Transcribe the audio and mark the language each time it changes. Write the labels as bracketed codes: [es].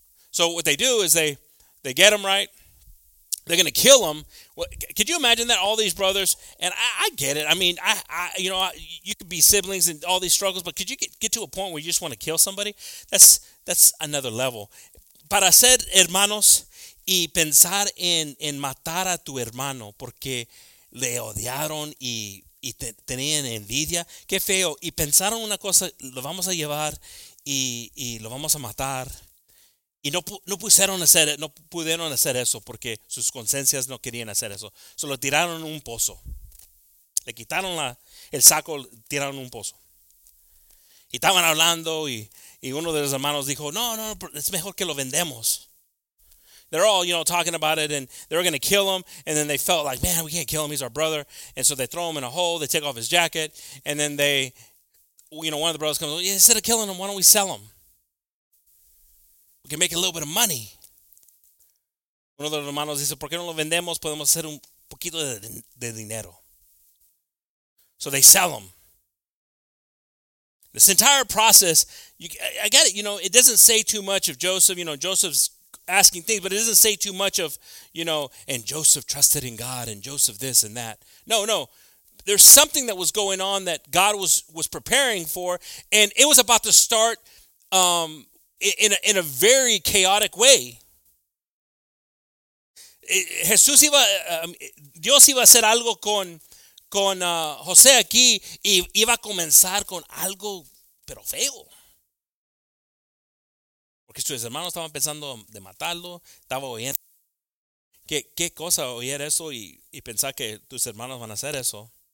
[en] So what they do is they get him right. They're going to kill him. Well, could you imagine that? All these brothers, and I get it. I mean, you could be siblings and all these struggles, but could you get to a point where you just want to kill somebody? That's another level. [es] Para ser hermanos y pensar en matar a tu hermano porque le odiaron y tenían envidia, qué feo. Y pensaron una cosa, lo vamos a llevar y lo vamos a matar. Y no pudieron hacer eso porque sus conciencias no querían hacer eso. Se lo tiraron en un pozo. Le quitaron el saco, tiraron un pozo. Y estaban hablando y uno de los hermanos dijo, no, es mejor que lo vendemos. [en] They're all, you know, talking about it and they were going to kill him. And then they felt like, man, we can't kill him. He's our brother. And so they throw him in a hole. They take off his jacket. And then they, you know, one of the brothers comes, yeah, instead of killing him, why don't we sell him? We can make a little bit of money. [es] Uno de los hermanos dice, ¿por qué no lo vendemos? Podemos hacer un poquito de dinero. [en] So they sell them. This entire process, I get it, you know, it doesn't say too much of Joseph. You know, Joseph's asking things, but it doesn't say too much of, you know, and Joseph trusted in God and Joseph this and that. No. There's something that was going on that God was preparing for, and it was about to start in a very chaotic way. [es] Jesús iba, Dios iba a hacer algo con José aquí y iba a comenzar con algo, pero feo. Porque sus hermanos estaban pensando de matarlo, estaba oyendo. ¿Qué cosa oír eso y pensar que tus hermanos van a hacer eso?